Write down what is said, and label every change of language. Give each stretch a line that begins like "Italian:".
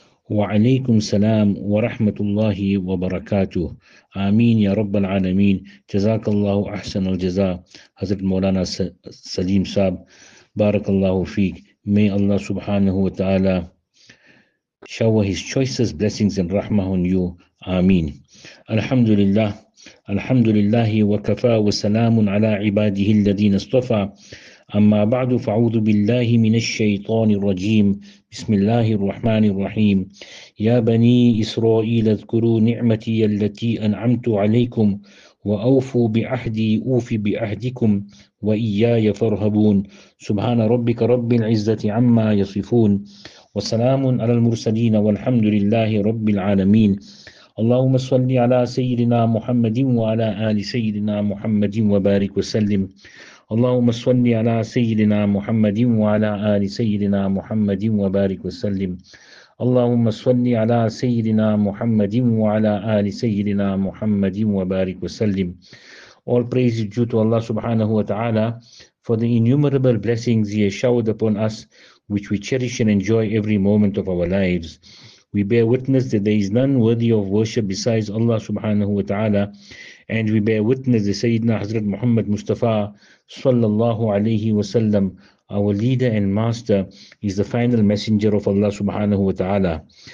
Arabic: وعليكم السلام ورحمة الله وبركاته. آمين يا رب العالمين. جزاك الله أحسن الجزاء حضرت مولانا سليم صاحب، بارك الله فيك.
English: May Allah سبحانه وتعالى shower his choicest blessings and rahmah on you.
Arabic: آمين. الحمد لله، الحمد لله وكفى وسلام على عباده الذين اصطفى. أما بعد، فأعوذ بالله من الشيطان الرجيم، بسم الله الرحمن الرحيم. يا بني إسرائيل اذكروا نعمتي التي أنعمت عليكم وأوفوا بعهدي أوف بعهدكم وإياي فارهبون. سبحان ربك رب العزة عما يصفون وسلام على المرسلين والحمد لله رب العالمين. اللهم صل على سيدنا محمد وعلى آل سيدنا محمد وبارك وسلم. اللهم صل على سيدنا محمد وعلى آل سيدنا محمد وبارك وسلم. اللهم صل على سيدنا محمد وعلى آل سيدنا محمد وبارك وسلم.
English: All praise is due to Allah subhanahu wa ta'ala for the innumerable blessings He has showered upon us, which we cherish and enjoy every moment of our lives. We bear witness that there is none worthy of worship besides Allah subhanahu wa ta'ala, and we bear witness that Sayyidina Hazrat Muhammad Mustafa sallallahu alayhi wa sallam, our leader and master, is the final messenger of Allah subhanahu wa ta'ala.